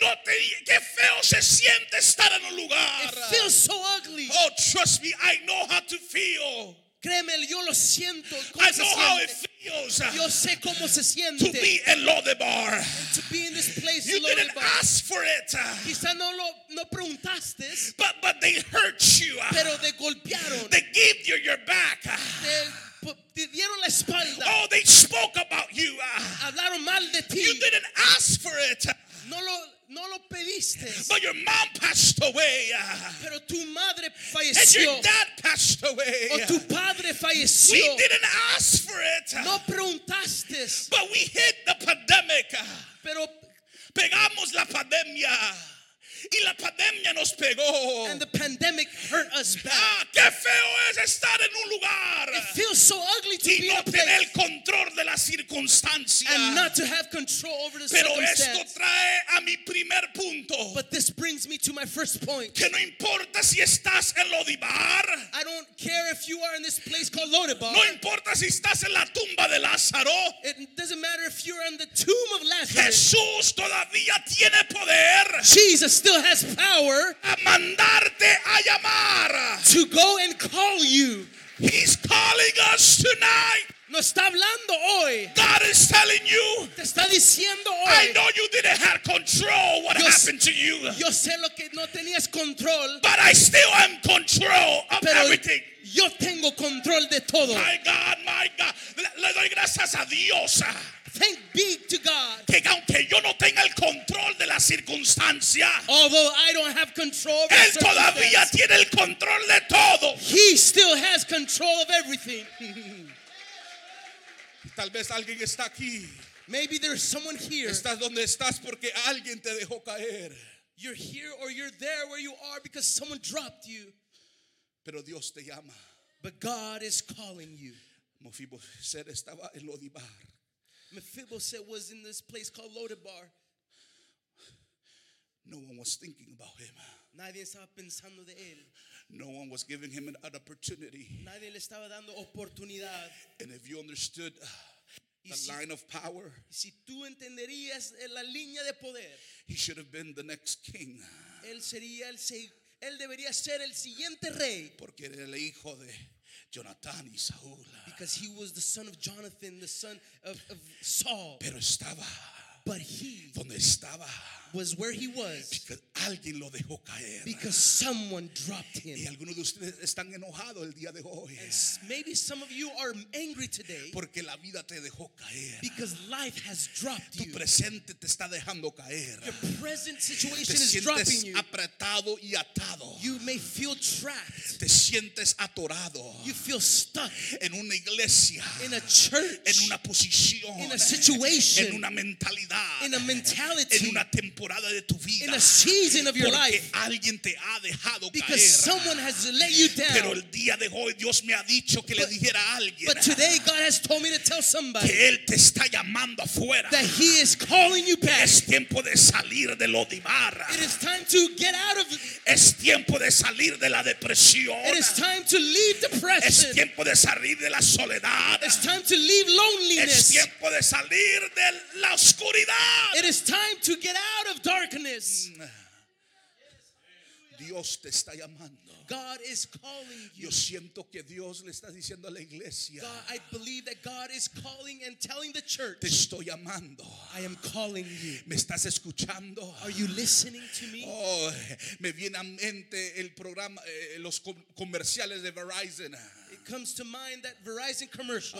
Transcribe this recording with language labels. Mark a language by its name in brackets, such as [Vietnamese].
[Spanish] No te, qué feo se siente estar en un lugar. [English] It feels so ugly. Oh, trust me, I know how to feel. [Spanish] Créeme, yo lo siento. [English] I know [Spanish] siente. [English] How it feels. [Spanish] Yo sé cómo se siente. [English] To be in Lodebar. And to be in this place, you Lodebar. Didn't ask for it. [Spanish] Quizá no lo no preguntaste. [English] But they hurt you. [Spanish] Pero te golpearon. [English] They gave you your back. [Spanish] Te dieron la espalda. [English] Oh, they spoke about you. [Spanish] Hablaron mal de ti. [English] You didn't ask for it. [Spanish] No lo no lo pediste. [English] But your mom passed away. [Spanish] Pero tu madre falleció. [English] And your dad passed away. [Spanish] O tu padre falleció. [English] We didn't ask for it. [Spanish] No preguntaste. [English] But we hit the pandemic. [Spanish] Pero pegamos la pandemia. Y la pandemia nos pegó. [English] And the pandemic hurt us back. [Spanish] Ah, qué feo es estar en un lugar. [English] It feels so ugly to [Spanish] y [English] be [Spanish] no [English] in a place. [Spanish] Y no tener el control de la circunstancia. [English] And not to have control over the [Spanish] pero [English] circumstance. [Spanish] Pero esto trae a mi primer punto. [English] But this brings me to my first point. [Spanish] Que no importa si estás en Lodebar. [English] I don't care if you are in this place called Lodebar. [Spanish] No importa si estás en la tumba de Lázaro. [English] It doesn't matter if you're in the tomb of Lazarus. [Spanish] Jesús todavía tiene poder. [English] Jesus still has power [Spanish] a mandarte a llamar. [English] To go and call you. He's calling us tonight. [Spanish] No está hablando hoy. [English] God is telling you. [Spanish] Te está diciendo hoy. [English] I know you didn't have control what [Spanish] yo, [English] happened to you. [Spanish] Yo sé lo que no tenías control. [English] But I still am control of [Spanish] pero [English] everything. [Spanish] Yo tengo control de todo. [English] My God, [Spanish] le doy gracias a Dios. [English] Thank be to God. [Spanish] Que aunque yo no tenga el control de la circunstancia, [English] although I don't have control of [Spanish] Él todavía tiene el control de todo. [English] He still has control of everything. [Spanish] Tal vez alguien está aquí. [English] Maybe there's someone here. [Spanish] Estás donde estás porque alguien te dejó caer. [English] You're here or you're there where you are because someone dropped you. [Spanish] Pero Dios te llama. [English] But God is calling you. [Spanish] Mefiboset estaba en Lodebar. [English] Mephibosheth was in this place called Lodebar. No one was thinking about him. [Spanish] Nadie estaba pensando de él. [English] No one was giving him an opportunity. [Spanish] Nadie le estaba dando oportunidad. [English] And if you understood the line of power, [Spanish] si tú entenderías la línea de poder, [English] he should have been the next king. [Spanish] Él sería el él debería ser el siguiente rey. Porque era el hijo de Jonathan y Saúl. [English] Because he was the son of Jonathan, the son of Saul. [Spanish] Pero estaba. [English] But he. [Spanish] Donde estaba. [English] Was where he was. Because [Spanish] alguien lo dejó caer. [English] Because someone dropped him. [Spanish] Y algunos de ustedes están enojados el día de hoy. [English] And maybe some of you are angry today. [Spanish] Porque la vida te dejó caer. [English] Because life has dropped you. [Spanish] Tu presente te está dejando caer. [English] Your present situation is dropping you. [Spanish] Te sientes apretado y atado. [English] You may feel trapped. [Spanish] Te sientes atorado. [English] You feel stuck. [Spanish] En una iglesia. [English] In a church. [Spanish] En una posición. [English] In a situation. [Spanish] En una mentalidad. [English] In a mentality. [Spanish] En una temporada de tu vida. [English] In a season of your [Spanish] porque [English] life. [Spanish] Alguien te ha dejado [English] because [Spanish] caer. [English] Someone has let you down. [Spanish] Pero el día de hoy Dios me ha dicho que le dijera a alguien. [English] But today God has told me to tell somebody. [Spanish] Que Él te está llamando afuera. [English] That He is calling you back. [Spanish] Es tiempo de salir de Lodebar. [English] It is time to get out of. [Spanish] Es tiempo de salir de la depresión. [English] It is time to leave depression. [Spanish] Es tiempo de salir de la soledad. [English] It is time to leave loneliness. [Spanish] Es tiempo de salir de la oscuridad. [English] It is time to get out of darkness. [Spanish] Dios te está llamando. [English] God is calling you. [Spanish] Yo siento que Dios le está diciendo a la iglesia. [English] God, I believe that God is calling and telling the church. [Spanish] Te estoy llamando. [English] I am calling you. [Spanish] ¿Me estás escuchando? [English] Are you listening to me? [Spanish] Oh, me viene a mente el programa, los comerciales de Verizon. [English] It comes to mind that Verizon commercial.